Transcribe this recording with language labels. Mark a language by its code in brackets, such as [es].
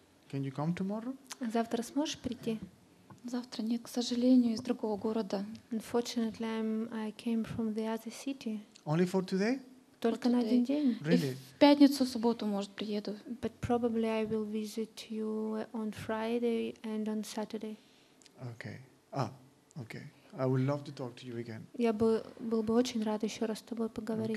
[en] Can you come tomorrow? [ru] Завтра сможешь прийти? Завтра нет, к сожалению, из другого города. [en] Unfortunately, I came from the other city. Only for today? [ru] Только на один день. [en] Really? [ru] В пятницу, субботу, может, приеду. [en] But probably I will visit you on Friday and on Saturday. Okay. Ah, okay. I would love to talk to you again. [ru] Я был бы очень рад еще раз с тобой поговорить.